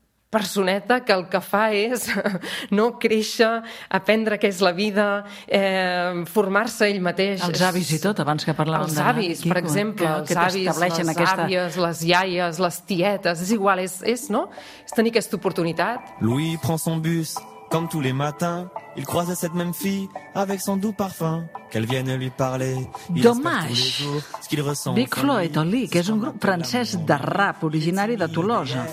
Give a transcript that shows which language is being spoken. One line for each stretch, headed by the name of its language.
Catalan: personeta que el que fa és no créixer, aprendre què és la vida, formar-se ell mateix. Els avis i tot, abans que parlàvem els avis, de... per exemple, que els avis, les aquesta... àvies, les iaies, les tietes, és igual, és, no? És tenir aquesta oportunitat.
French: Louis prend son bus, comme tous les matins, il croise cette même fille avec son doux parfum, qu'elle vienne lui parler. Dommage.
Catalan: Big Flo et Oli, que és un grup francès de rap originari de Tolosa.